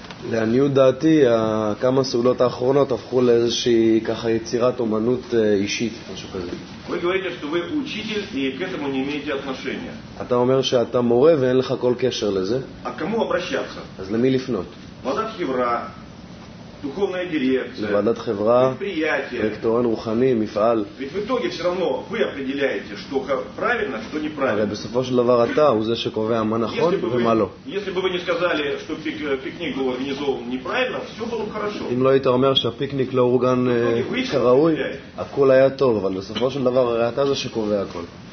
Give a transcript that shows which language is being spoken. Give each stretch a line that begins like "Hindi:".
Hebrew: לעניות דעתי, כמה סעולות האחרונות הפכו לאיזושהי ככה יצירת אומנות אישית, משהו כזה.
Russian: Вы говорите, что вы учитель и к этому не имеете отношения.
Hebrew: אתה אומר שאתה מורה ואין לך כל קשר לזה?
Russian: А к кому обращаться?
Hebrew: אז למי לפנות? ועדת חברה,
Russian: духовная дирекция.
Hebrew: לוועדת חברה,
Russian: предприятие,
Hebrew: ректоран רוחני, מפעל.
Russian: Ведь в итоге все равно вы определяете, что правильно, что неправильно.
Hebrew: הרי בסופו של דבר אתה הוא זה שקובע מה נכון ומה לא.
Russian: Если бы вы не сказали, что пикник был организован неправильно, все было бы хорошо.
Hebrew: אם לא היית אומר שהפיקניק לא אורגן כראוי, הכל היה טוב, אבל בסופו של דבר הרי אתה זה שקובע הכל.